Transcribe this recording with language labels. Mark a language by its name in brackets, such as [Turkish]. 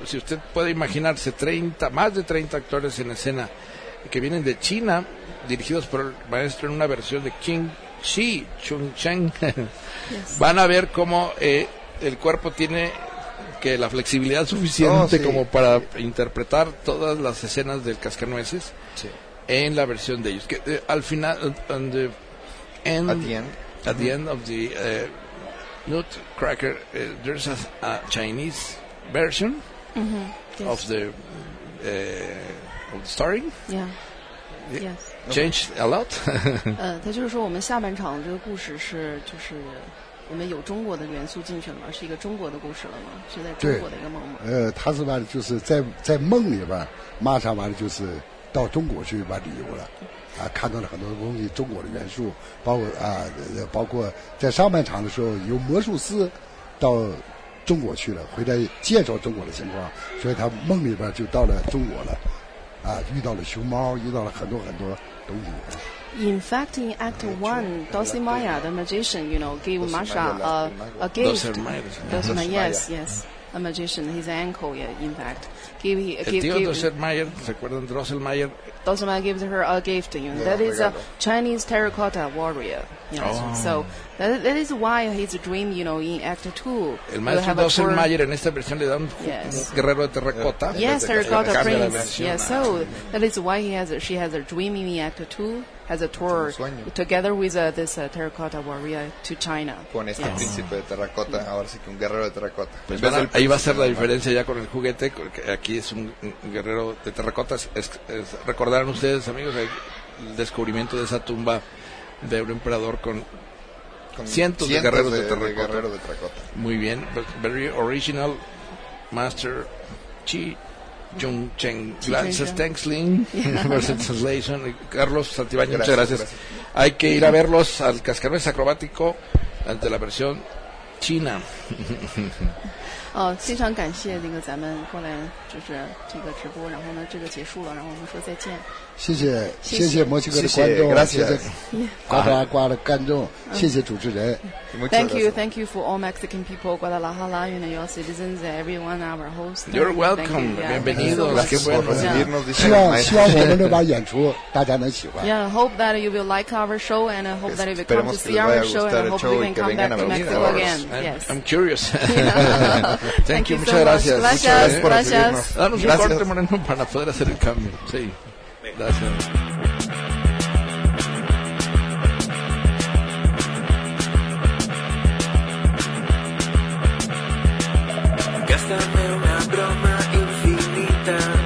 [Spanish] Si usted puede imaginarse, más de 30 actores en escena que vienen de China, dirigidos por el maestro en una versión de King Chi Chung Cheng. Van a ver cómo el cuerpo tiene que la flexibilidad suficiente como para interpretar todas las escenas del cascanueces. Sí. En la versión de ellos, que al final, [English] at the end, at the end of the Nutcracker, there's a Chinese version of the story. Yes. Changed a lot. [Chinese] 他就是说，我们下半场这个故事是就是我们有中国的元素进去了吗？是一个中国的故事了吗？是在中国的一个梦吗？他是完了，就是在梦里边，马上完了就是到中国去玩旅游了。啊，看到了很多东西，中国的元素，包括在上半场的时候，由魔术师到中国去了，回来介绍中国的情况，所以他梦里边就到了中国了，啊，遇到了熊猫，遇到了很多很多东西。 [English] In fact, in Act One, Dulcimaya, the magician, you know, gave Masha a gift. Dulcimaya, yes, a magician, his ankle, yeah, in fact. Dulcimaya gives her a gift, you know, that is a Chinese terracotta warrior. You know, so that is why his dream, you know, in Act Two. [Spanish] El maestro Dulcimaya en esta versión le da un guerrero de terracota. [English] Yes, terracotta prince. Yes, so that is why she has a dream in Act Two. Has a tour together with this terracotta warrior to China. [Spanish] Con este príncipe de terracota, ahora sí que un guerrero de terracota. Pues bueno, ahí va a ser la diferencia ya con el juguete, porque aquí es un guerrero de terracota. Recordarán ustedes, amigos, el descubrimiento de esa tumba de un emperador con cientos de guerreros de terracota. Muy bien, [English] very original, Master Chi. [Spanish] Jung Cheng, gracias, thanks, Lin. Translation, Carlos Santibáñez, gracias, muchas gracias. Hay que ir a verlos al cascarón acrobático ante la versión china. [Chinese] 哦，非常感谢那个咱们过来就是这个直播，然后呢这个结束了，然后我们说再见。谢谢，谢谢墨西哥的观众，谢谢瓜达拉瓜的观众，谢谢主持人。 [English] Thank you for all Mexican people, Guadalajara, you know, your citizens, everyone, our hosts. You're welcome, bienvenidos, [Spanish] gracias por recibirnos. [Chinese] 希望我们这把演出大家能喜欢。 [English] Yeah, hope that you will like our show and hope that you will come to see our show and hope you can come back to Mexico again. Yes, I'm curious. Thank you, [Spanish] muchas gracias. Gracias por recibirnos. Danos un corte, Moreno, para poder hacer el cambio. Sí. Gracias. Gástame una broma infinita.